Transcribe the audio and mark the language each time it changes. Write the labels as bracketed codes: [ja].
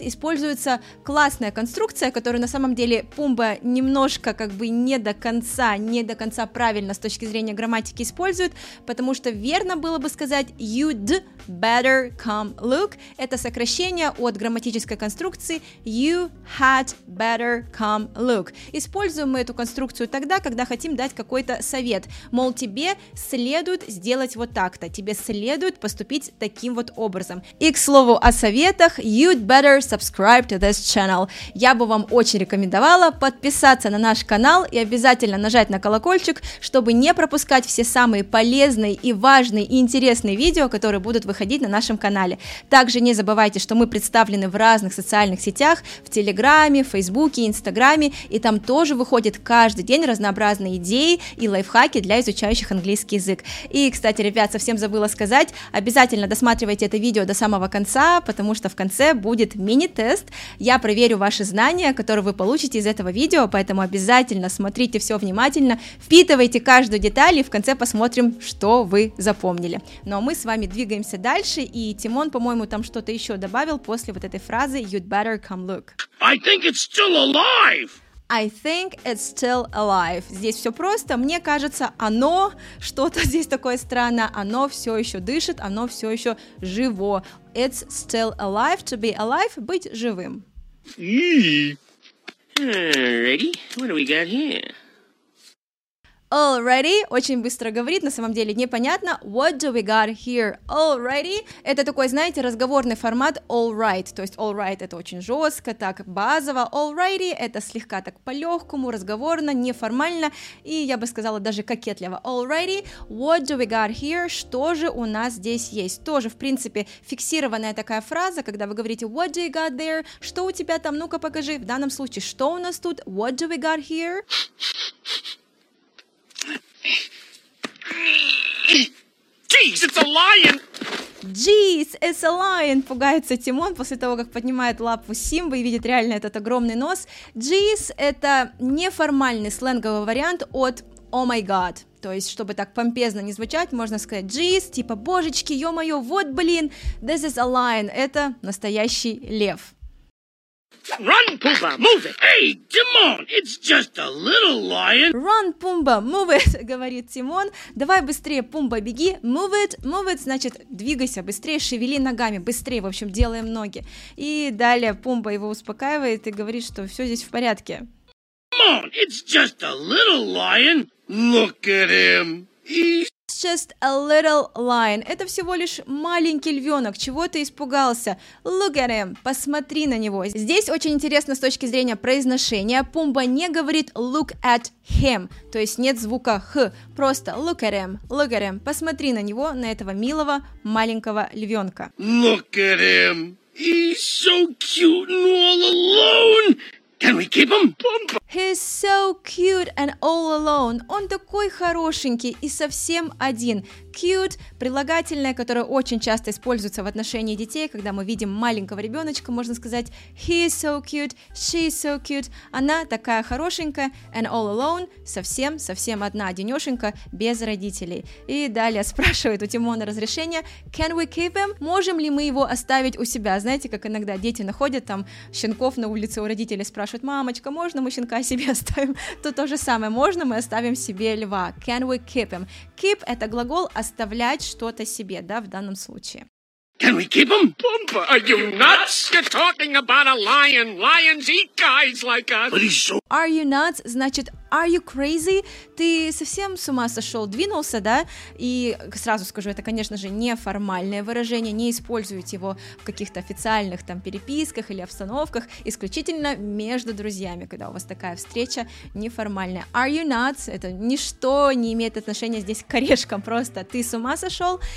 [ru] Используется классная конструкция, которую на самом деле Пумба немножко как бы не до конца правильно с точки зрения грамматики использует, потому что верно было бы сказать [en] you'd better come look. [ru] Это сокращение от грамматической конструкции [en] you had better come look. [ru] Используем мы эту конструкцию тогда, когда хотим дать какой-то совет, мол, тебе следует сделать вот так-то, тебе следует поступить таким вот образом. И, к слову, о советах, [en] you'd better subscribe to this channel. [ru] Я бы вам очень рекомендовала подписаться на наш канал и обязательно нажать на колокольчик, чтобы не пропускать все самые полезные и важные и интересные видео, которые будут выходить на нашем канале. Также не забывайте, что мы представлены в разных социальных сетях, в Телеграме, Фейсбуке, Инстаграме, и там тоже выходит каждый день разнообразные идеи и лайфхаки для изучающих английский язык. И, кстати, ребят, совсем забыла сказать, обязательно досматривайте это видео до самого конца, потому что в конце будет мини-тест. Я проверю ваши знания, которые вы получите из этого видео, поэтому обязательно смотрите все внимательно, впитывайте каждую деталь, и в конце посмотрим, что вы запомнили. Ну, а мы с вами двигаемся дальше, и Тимон, по-моему, там что-то еще добавил после вот этой фразы [en] «You'd better come look». I think it's still alive! I think it's still alive. [ru] Здесь все просто. Мне кажется, оно что-то здесь такое странное. Оно все еще дышит, оно все еще живо. [en] It's still alive. To be alive, [ru] быть живым. [en] Alrighty, what do we got here? Alrighty, [ru] очень быстро говорит, на самом деле непонятно. [en] What do we got here? [ru] Alrighty, это такой, знаете, разговорный формат alright. То есть alright это очень жестко, так базово. [en] Alrighty [ru] это слегка так по-легкому, разговорно, неформально. И я бы сказала даже кокетливо. [en] Alrighty, what do we got here? [ru] Что же у нас здесь есть? Тоже, в принципе, фиксированная такая фраза, когда вы говорите [en] what do you got there? [ru] Что у тебя там? Ну-ка покажи. В данном случае, что у нас тут? [en] What do we got here? Jeez, it's a lion! Jeez, it's a lion! [ru] Пугается Тимон после того, как поднимает лапу Симбы и видит реально этот огромный нос. Jeez, это неформальный сленговый вариант от [en] oh my god. [ru] То есть, чтобы так помпезно не звучать, можно сказать jeez, типа божечки, ё-моё, вот блин, [en] this is a lion, [ru] это настоящий лев. [en] Run, Pumbaa, move it! Hey, Timon, it's just a little lion! Run, Pumbaa, move it, [ru] говорит Тимон. Давай быстрее, Пумбаа, беги. [en] Move it, [ru] значит, двигайся быстрее, шевели ногами, быстрее, в общем, делаем ноги. И далее Пумбаа его успокаивает и говорит, что все здесь в порядке. [en] Timon, it's just a little lion! Look at him! He's... Just a little lion. [ru] Это всего лишь маленький львенок. Чего ты испугался? [en] Look at him. [ru] Посмотри на него. Здесь очень интересно с точки зрения произношения. Пумбаа не говорит [en] look at him. [ru] То есть нет звука х. Просто [en] look at him. Look at him. [ru] Посмотри на него, на этого милого маленького львенка. [en] Look at him. He's so cute and all alone. Can we keep him? He's so cute and all alone. [ru] Он такой хорошенький и совсем один. Cute – прилагательное, которое очень часто используется в отношении детей, когда мы видим маленького ребеночка, можно сказать [en] he is so cute, she is so cute. [ru] Она такая хорошенькая, [en] and all alone [ru] – совсем-совсем одна, одинешенька, без родителей. И далее спрашивает у Тимона разрешение, [en] can we keep him? [ru] Можем ли мы его оставить у себя? Знаете, как иногда дети находят там щенков на улице у родителей, спрашивают, мамочка, можно мы щенка себе оставим? То же самое, можно мы оставим себе льва. [en] Can we keep him? [ru] Keep – это глагол оставлять что-то себе, да, в данном случае. [en] Can we keep him? Pumba, are you nuts? You're talking about a lion. Lions eat guys like us. But he's so... Are you nuts? [ru] Значит, [en] are you crazy? [ru] Ты совсем с ума сошел, двинулся, да? И сразу скажу, это, конечно же, неформальное выражение, не используйте его в каких-то официальных там переписках или обстановках, исключительно между друзьями, когда у вас такая встреча неформальная. [en] Are you nuts? [ru] Это ничто не имеет отношения здесь к орешкам, просто ты с ума сошел.